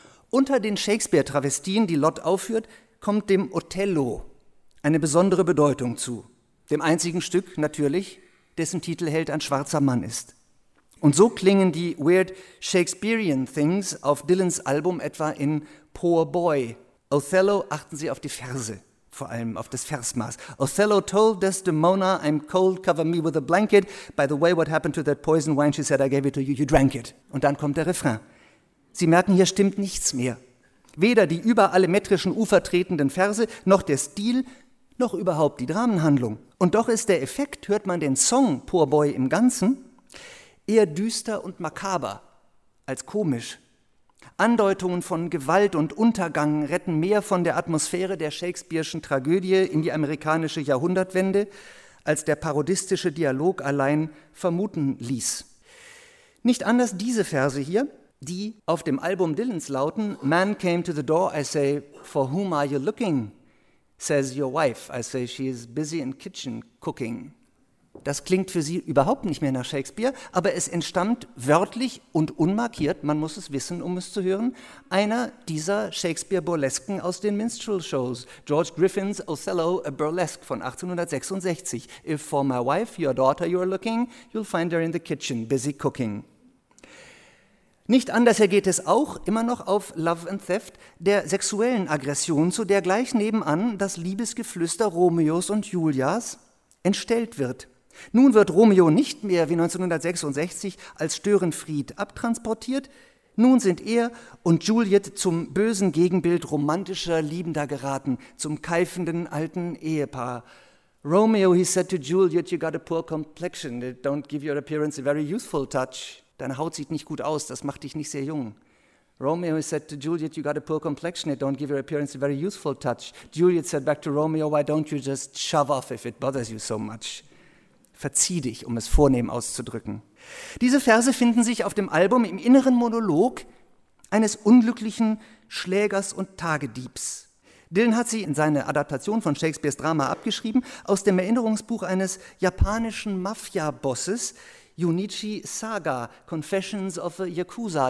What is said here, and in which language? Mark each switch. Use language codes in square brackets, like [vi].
[de] Unter den Shakespeare-Travestien, die Lott aufführt, kommt dem Othello eine besondere Bedeutung zu. Dem einzigen Stück natürlich, dessen Titelheld ein schwarzer Mann ist. Und so klingen die Weird Shakespearean Things auf Dylans Album etwa in Poor Boy. Othello, achten Sie auf die Verse. vor allem auf das Versmaß. [en] Othello told Desdemona, I'm cold, cover me with a blanket. By the way, what happened to that poison wine? She said, I gave it to you, you drank it. [de] Und dann kommt der Refrain. Sie merken, hier stimmt nichts mehr. Weder die über alle metrischen Ufer tretenden Verse, noch der Stil, noch überhaupt die Dramenhandlung. Und doch ist der Effekt, hört man den Song Poor Boy im Ganzen, eher düster und makaber als komisch. Andeutungen von Gewalt und Untergang retten mehr von der Atmosphäre der Shakespeare'schen Tragödie in die amerikanische Jahrhundertwende, als der parodistische Dialog allein vermuten ließ. Nicht anders diese Verse hier, die auf dem Album Dylans lauten, [en] Man came to the door, I say, for whom are you looking? Says your wife, I say, she is busy in kitchen cooking. [de] Das klingt für sie überhaupt nicht mehr nach Shakespeare, aber es entstammt wörtlich und unmarkiert, man muss es wissen, um es zu hören, einer dieser Shakespeare-Burlesken aus den Minstrel-Shows, George Griffin's Othello, a Burlesque von 1866. [en] If for my wife, your daughter, you are looking, you'll find her in the kitchen, busy cooking. [de] Nicht anders ergeht es auch immer noch auf Love and Theft der sexuellen Aggression, zu der gleich nebenan das Liebesgeflüster Romeos und Julias entstellt wird. Nun wird Romeo nicht mehr wie 1966 als Störenfried abtransportiert, nun sind er und Juliet zum bösen Gegenbild romantischer Liebender geraten, zum keifenden alten Ehepaar. [en] Romeo, he said to Juliet, you got a poor complexion, it don't give your appearance a very youthful touch. [de] Deine Haut sieht nicht gut aus, das macht dich nicht sehr jung. [en] Romeo said to Juliet, you got a poor complexion, it don't give your appearance a very youthful touch. Juliet said back to Romeo, why don't you just shove off if it bothers you so much? [de] Verzieh dich, um es vornehm auszudrücken. Diese Verse finden sich auf dem Album im inneren Monolog eines unglücklichen Schlägers und Tagediebs. Dylan hat sie in seine Adaptation von Shakespeares Drama abgeschrieben, aus dem Erinnerungsbuch eines japanischen Mafia-Bosses, Junichi Saga, Confessions of a Yakuza.